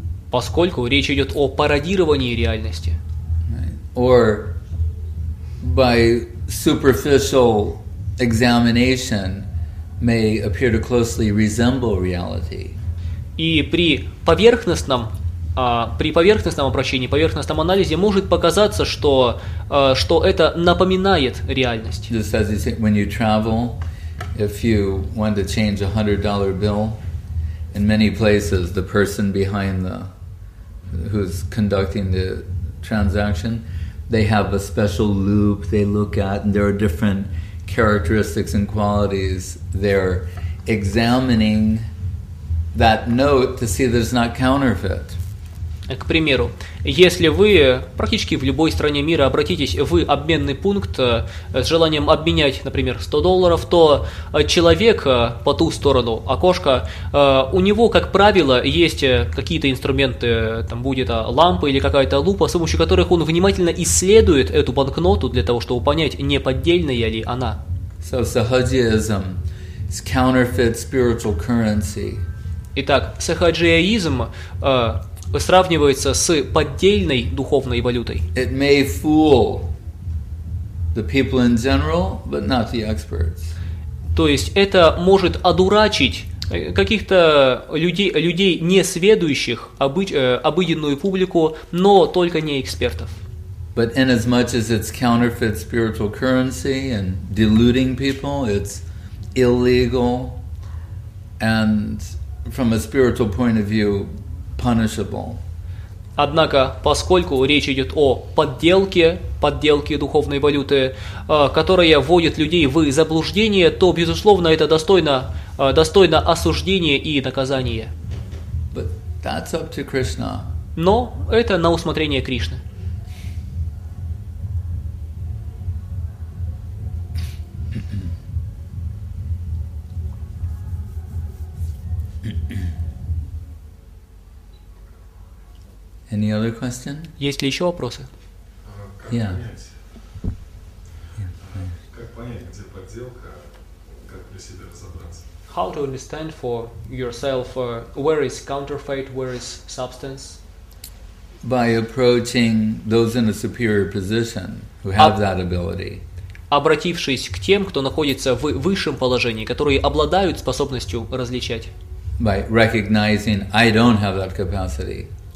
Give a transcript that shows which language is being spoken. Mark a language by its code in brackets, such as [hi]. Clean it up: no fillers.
[ru] Поскольку речь идет о пародировании реальности. [en] Right. Or by superficial examination may appear to closely resemble reality. [ru] И при поверхностном обращении, поверхностном анализе может показаться, что, что это напоминает реальность. [en] Just as you say, when you travel, if you want to change a $100 bill, in many places the person behind the who's conducting the transaction, they have a special loop they look at, and there are different characteristics and qualities they're examining that note to see there's not counterfeit. [ru] К примеру, если вы практически в любой стране мира обратитесь в обменный пункт с желанием обменять, например, $100, то человек по ту сторону окошка, у него, как правило, есть какие-то инструменты, там будет лампа или какая-то лупа, с помощью которых он внимательно исследует эту банкноту для того, чтобы понять, не поддельная ли она. [en] So, sahajism is counterfeit spiritual currency. [ru] Итак, сахаджиаизм сравнивается с поддельной духовной валютой. [en] It may fool the people in general, but not the experts. [ru] То есть это может одурачить каких-то людей не сведущих обыденную публику, но только не экспертов. [en] But inasmuch as it's counterfeit spiritual currency and deluding people, it's illegal and from a spiritual point of view, punishable. [ru] Однако, поскольку речь идет о подделке духовной валюты, которая вводит людей в заблуждение, то, безусловно, это достойно осуждения и наказания. [en] But that's up to Krishna. [ru] Но это на усмотрение Кришны. [en] Any other question? [ru] Есть ли еще вопросы? Как понять, где подделка, как для себя разобраться? [en] How to understand for yourself where is counterfeit, where is substance? By approaching those in a superior position who have that ability. [ru] Обратившись к тем, кто находится в высшем положении, которые обладают способностью различать. [en] By recognizing I don't have that capacity.